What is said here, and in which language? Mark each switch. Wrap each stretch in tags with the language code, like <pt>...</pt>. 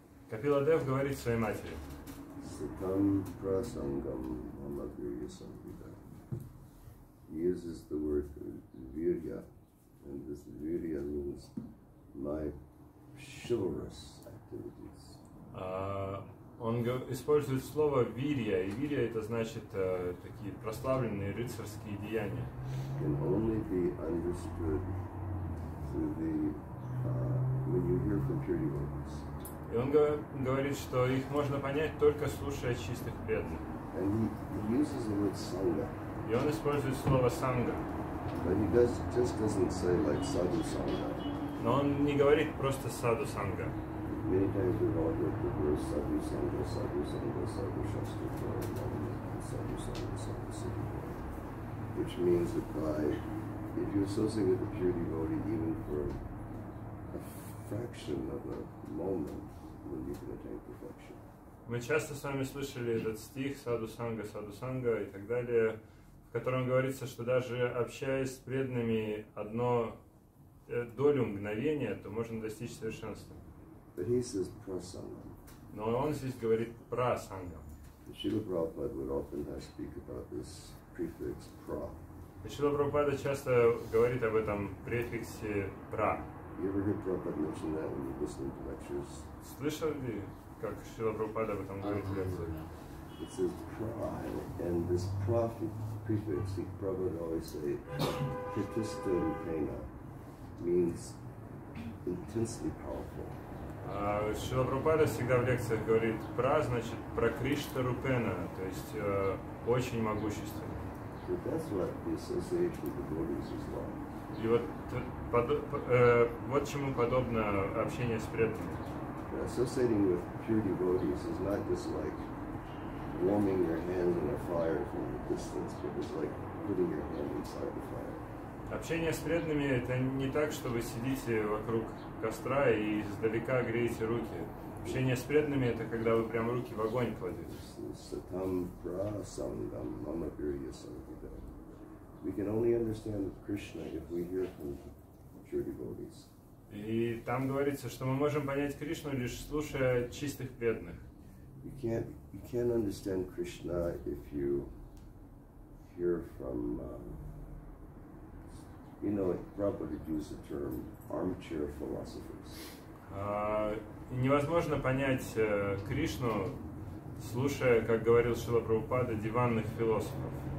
<ru>Капила Дев говорит своей матери.</ru> <sa>Сатам прасангам мама вирья самхита.</sa> <en>He uses the word virya, and this virya means my chivalrous activities.</en> <ru>Он использует слово вирья, и вирья это значит такие прославленные рыцарские деяния.</ru> <en>Can only be understood through the when you hear from pure devotees.</en> <ru>И он говорит, что их можно понять только слушая чистых преданных.</ru> <en>And he uses the word sangha.</en> <ru>И он использует слово санга.</ru> <en>But he just doesn't say like sadhu sangha.</en> <ru>Но он не говорит просто саду санга.</ru> <en>Many times we've all heard the words sadhu sangha, sadhu sangha, sadhu shastra, sadhu sangha, sadhu sangha, sadhu sangha. which means that by, if you associate with a pure devotee even for a fraction of a moment, then you can attain perfection.</en> <ru>Мы часто с вами слышали этот стих саду санга и так далее, в котором говорится, что даже общаясь с преданными одно долю мгновения, то можно достичь совершенства.</ru> <en>But he says prasanga.</en> <ru>Но он здесь говорит про санга.</ru> <en>Шрила Прабхупада would often speak about this prefix pra.</en> <ru>Шрила Прабхупада часто говорит об этом префиксе pra.</ru> <en>You ever heard Prabhupada mention that when you listen to lectures?</en> <ru>Слышал ли? Как Шрила Прабхупада об этом говорит в лекциях.</ru> <en>It says pride, and this prophet prefix, he probably always say, pratista rupena, means intensely powerful.</en> <ru>Шрила Прабхупада всегда в лекциях говорит pra, значит прокришта рупена, то есть очень могущественно.</ru> <en>But that's what the association with the devotees is like.</en> <ru>И вот, вот чему подобно общение с преданными.</ru> <en>Associating with pure devotees is not just like warming your hands in a fire from a distance, but it's like putting your hand inside the fire.</en> <ru>Общение с преданными — это не так, что вы сидите вокруг костра и издалека греете руки. Общение с преданными — это когда вы прямо руки в огонь кладете.</ru> <sa>Satam prasangam mamabhirya sangita.</sa> <en>We can only understand Krishna if we hear from pure devotees.</en> <ru>И там говорится, что мы можем понять Кришну, лишь слушая чистых преданных.</ru> <en>You can't understand Krishna if you hear from, you know, Prabhupada used the term armchair philosophers.</en> <ru>Невозможно понять Кришну, слушая, как говорил Шрила Прабхупада, диванных философов.</ru>